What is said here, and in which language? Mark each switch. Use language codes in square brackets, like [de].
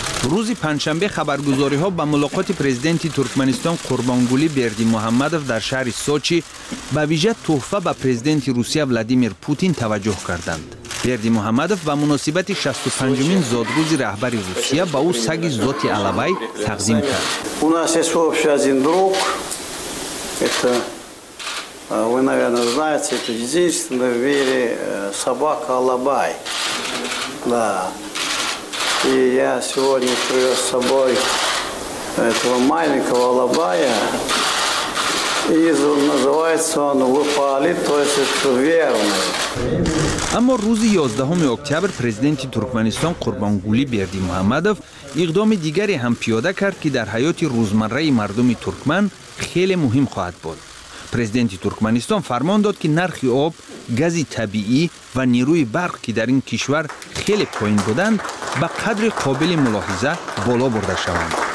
[fa] روز پنجشنبه خبرگزاری‌ها با ملاقات پرزیدنت ترکمنستان قربانگولی بردی محمدوف در شهر سوچی با ویژه تحفه به پرزیدنت روسیه ولادیمیر پوتین توجه کردند. بردی محمدوف با مناسبت 65مین زادروز رهبر روسیه با او سگ ذات علوی تقدیم کرد. [ru] У нас есть общий один друг. Это вы, наверное, знаете, это единственное в мире собака Алабай. Да. И я сегодня привез с собой этого маленького Алабая. И называется он Выпали, то есть это верный. [fa] اما روز 11 اکتبر پرزیدنت ترکمنستان قربانگولی بردی محمدوف اقدام دیگری هم پیاده کرد که در حیات روزمره مردم ترکمن خیلی مهم خواهد بود. پرزیدنت ترکمنستان فرمان داد که نرخ آب، گاز طبیعی و نیروی برق که در این کشور خیلی پایین بودند به قدر قابل ملاحظه بالا برده شوند.